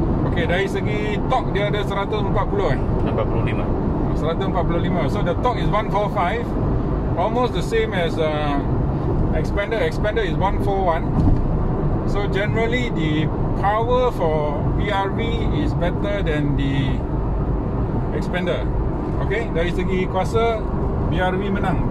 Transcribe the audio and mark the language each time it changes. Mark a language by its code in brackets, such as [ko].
[ms] Okay, dari segi torque dia ada 140. 145. [en] So the torque is 145, almost the same as expander. Expander is 141. So generally the power for PRV is better than the expander. [ms] Okay, dari segi kuasa PRV menang.